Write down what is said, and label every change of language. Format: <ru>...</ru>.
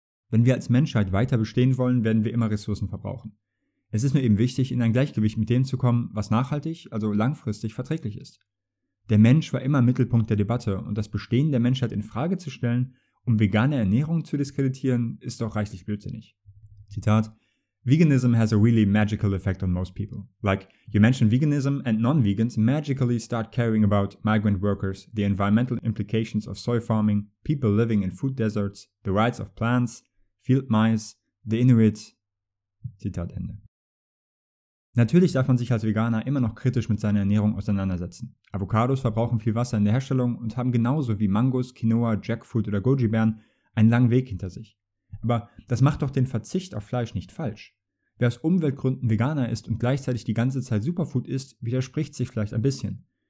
<de>Wenn wir als Menschheit weiter bestehen wollen, werden wir immer Ressourcen verbrauchen. Es ist nur eben wichtig, in ein Gleichgewicht mit dem zu kommen, was nachhaltig, also langfristig verträglich ist. Der Mensch war immer Mittelpunkt der Debatte und das Bestehen der Menschheit in Frage zu stellen, um vegane Ernährung zu diskreditieren, ist doch reichlich blödsinnig. Zitat:</de> <en>Veganism has a really magical effect on most people. Like, you mention veganism and non-vegans magically start caring about migrant workers, the environmental implications of soy farming, people living in food deserts, the rights of plants, field mice, the Inuit.</en> <de>Zitat Ende. Natürlich darf man sich als Veganer immer noch kritisch mit seiner Ernährung auseinandersetzen. Avocados verbrauchen viel Wasser in der Herstellung und haben genauso wie Mangos, Quinoa, Jackfruit oder Goji-Beeren einen langen Weg hinter sich. Aber das macht doch den Verzicht auf Fleisch nicht falsch. Wer aus Umweltgründen Veganer ist und gleichzeitig die ganze Zeit Superfood isst, widerspricht sich vielleicht ein bisschen.</de>